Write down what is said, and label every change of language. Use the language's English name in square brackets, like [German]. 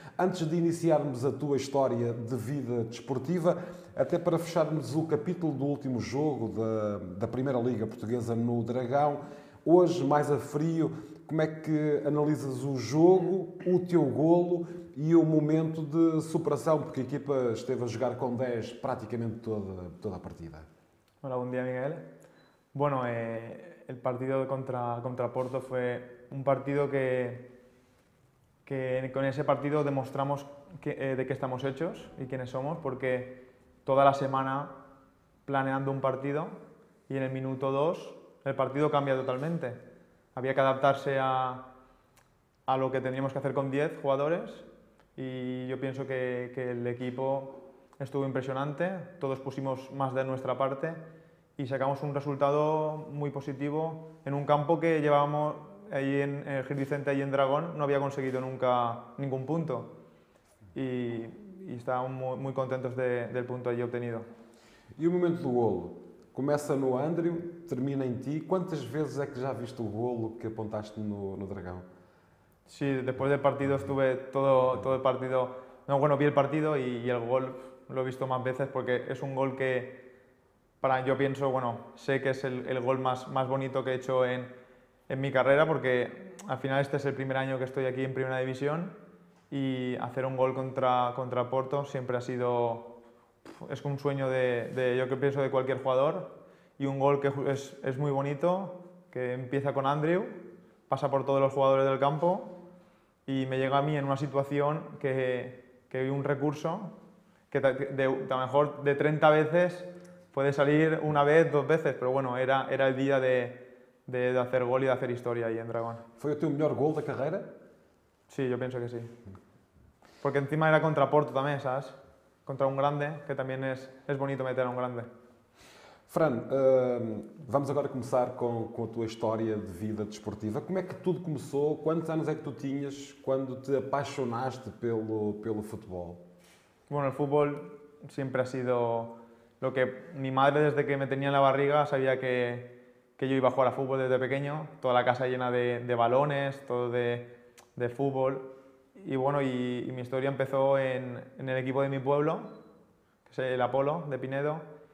[Portuguese] Antes de iniciarmos a tua história de vida desportiva, até para fecharmos o capítulo do último jogo da Primeira Liga Portuguesa no Dragão, hoje, mais a frio, como é que analisas o jogo, o teu golo e o momento de superação, porque a equipa esteve a jogar com 10 praticamente toda a partida? [Spanish] Hola, buen día, Miguel. Bueno, el partido contra Porto fue un partido que con ese partido demostramos de qué estamos hechos y quiénes somos, porque toda la semana planeando un partido y en el minuto 2 el partido cambia totalmente. Había que adaptarse a lo que teníamos que hacer con 10 jugadores y yo pienso que el equipo estuvo impresionante, todos pusimos más de nuestra parte. Y sacamos un resultado muy positivo en un campo que llevábamos ahí en el Gil Vicente, ahí en Dragón, no había conseguido nunca ningún punto. Y estábamos muy contentos del punto allí obtenido. [Portuguese] E o momento do golo? Começa no Andrew, termina em ti. Quantas vezes é que já viste o golo que apontaste no Dragão? [Spanish] Sí, después del partido estuve todo el partido. No, bueno, vi el partido y el gol lo he visto más veces porque es un gol que para yo pienso, bueno, sé que es el gol más bonito que he hecho en mi carrera, porque al final este es el primer año que estoy aquí en Primera División y hacer un gol contra Porto siempre ha sido, es un sueño de yo que pienso de cualquier jugador, y un gol que es muy bonito, que empieza con Andrew, pasa por todos los jugadores del campo y me llega a mí en una situación que un recurso que a lo mejor de 30 veces puede salir una vez, dos veces, pero bueno, era el día de hacer gol y de hacer historia ahí en Dragón. ¿Fue tu mejor gol de carrera? Sí, yo pienso que sí. Porque encima era contra Porto también, ¿sabes? Contra un grande, que también es bonito meter a un grande. [Portuguese] Fran, vamos agora começar com a tua história de vida desportiva. Como é que tudo começou? Quantos anos é que tu tinhas quando te apaixonaste pelo futebol? [Spanish] Bueno, el fútbol siempre ha sido lo que mi madre, desde que me tenía en la barriga, sabía que yo iba a jugar a fútbol desde pequeño. Toda la casa llena de balones, todo de fútbol. Y bueno, y mi historia empezó en el equipo de mi pueblo, que es el Apolo de Pinedo.